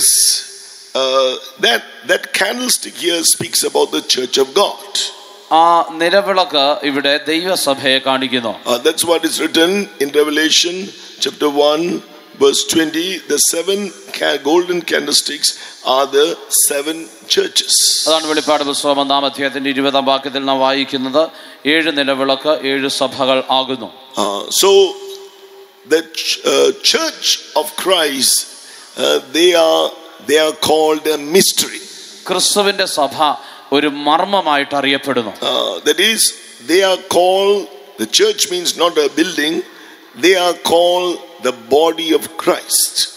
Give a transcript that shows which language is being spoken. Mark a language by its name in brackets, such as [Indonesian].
[English] So this that candlestick here speaks about the church of God. [Malayalam] ആ നിലവിളക്ക് ഇവിടെ ദൈവസഭയെ കാണിക്കുന്നു. [English] That's what is written in Revelation chapter 1 verse 20, the seven golden candlesticks are the seven churches. [Malayalam] അതാണ് വെളിപ്പാട് പുസ്തകം ഒന്നാം അധ്യായത്തിന്റെ 20 വാക്യത്തിൽ നാം വായിക്കുന്നത്, ഏഴ് നിലവിളക്ക് ഏഴ് സഭകൾ ആകുന്നു. [English] So the church of Christ, they are called a mystery. [Malayalam] ക്രിസ്തുവിന്റെ സഭ ഒരു മർമ്മമായിട്ട് അറിയപ്പെടുന്നു. [English] That is, they are called, the church means not a building, they are called the body of Christ.